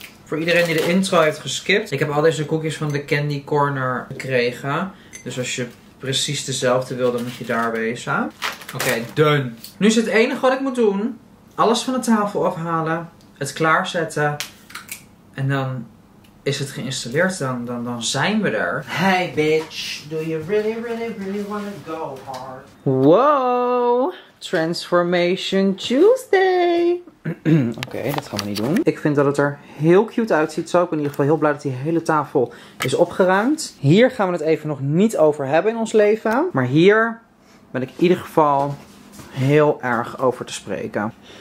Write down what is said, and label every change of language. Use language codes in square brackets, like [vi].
[nl] Voor iedereen die de intro heeft geskipt. Ik heb al deze koekjes van de Candy Corner gekregen. Dus als je precies dezelfde wil, dan moet je daar wezen. Oké, done. Nu is het enige wat ik moet doen. Alles van de tafel afhalen. Het klaarzetten. En dan... Is het geïnstalleerd, dan zijn we er. [en] Hey bitch, do you really, really, really wanna go hard? Wow, Transformation Tuesday. [nl] Oké, dat gaan we niet doen. Ik vind dat het er heel cute uitziet zo. Ik ben in ieder geval heel blij dat die hele tafel is opgeruimd. Hier gaan we het even nog niet over hebben in ons leven. Maar hier ben ik in ieder geval heel erg over te spreken.